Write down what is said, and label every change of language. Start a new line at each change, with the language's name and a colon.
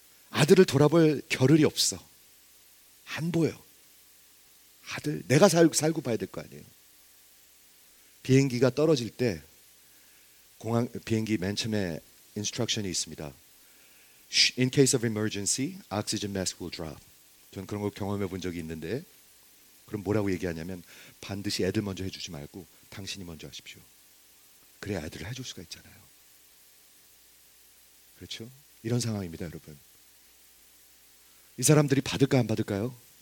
Korean: 아들을 돌아볼 겨를이 없어. 안 보여. 아들, 내가 살고 봐야 될 거 아니에요. 비행기가 떨어질 때 공항 비행기 맨 처음에 인스트럭션이 있습니다.
English: In case of emergency, oxygen mask will drop.
Korean: 전 그런 걸 경험해 본 적이 있는데 그럼 뭐라고 얘기하냐면 반드시 애들 먼저 해주지 말고 당신이 먼저 하십시오. 그래야 애들을 해줄 수가 있잖아요. 그렇죠? 이런 상황입니다, 여러분. 이 사람들이 받을까요, 안 받을까요?